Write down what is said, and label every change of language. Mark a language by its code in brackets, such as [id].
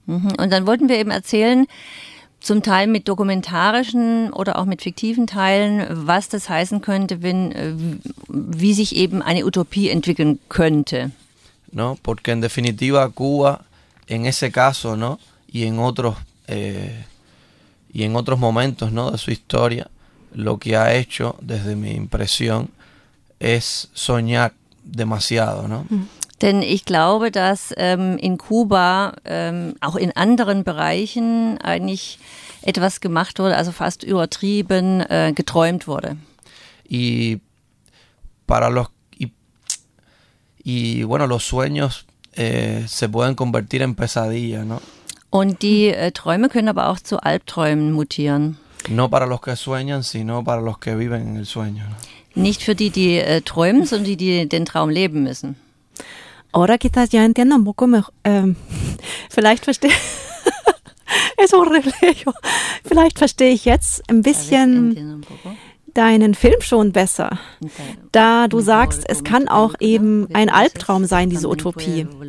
[de] Und dann wollten wir eben erzählen, zum Teil mit dokumentarischen oder auch mit fiktiven Teilen, was das heißen könnte, wie sich eben eine Utopie entwickeln könnte. [es] ¿No? Porque en definitiva Cuba, en ese caso, ¿no? Y en otros momentos, ¿no? De su historia, lo que ha hecho, desde mi impresión, es soñar demasiado, ¿no? [de] Denn ich glaube, dass in Kuba, auch in anderen Bereichen, eigentlich etwas gemacht wurde, also fast übertrieben geträumt wurde. [es] Y para los y bueno, los sueños se pueden convertir en pesadilla, ¿no? [de] Und die Träume können aber auch zu Albträumen mutieren. [es] No para los que sueñan, sino para los que viven en el sueño. [de] Nicht für die, die träumen, sondern die, die den Traum leben müssen. [es] Ahora quizás ya entiendo un poco mejor. [de] Vielleicht verstehe es horrible. Vielleicht verstehe ich jetzt ein bisschen deinen Film schon besser. Da du sagst, es kann auch eben ein Albtraum sein, diese Utopie.